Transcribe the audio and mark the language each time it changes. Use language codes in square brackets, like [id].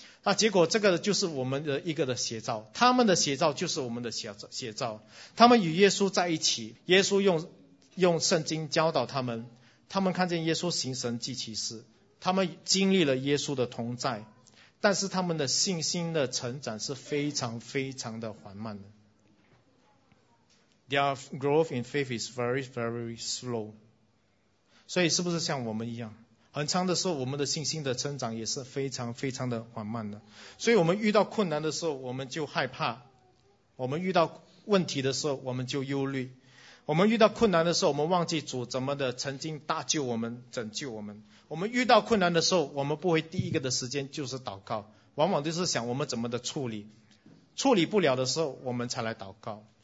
[zh] 那结果这个就是我们的一个的写照，他们的写照就是我们的写照。他们与耶稣在一起，耶稣用圣经教导他们，他们看见耶稣行神迹奇事，他们经历了耶稣的同在，但是他们的信心的成长是非常非常的缓慢的。 [en] Their growth in faith is very very slow。 [zh] 所以是不是像我们一样，很长的时候我们的信心的成长也是非常非常的缓慢的。所以我们遇到困难的时候我们就害怕，我们遇到问题的时候我们就忧虑，我们遇到困难的时候我们忘记主怎么的曾经搭救我们拯救我们，我们遇到困难的时候我们不会第一个的时间就是祷告，往往就是想我们怎么的处理不了的时候我们才来祷告。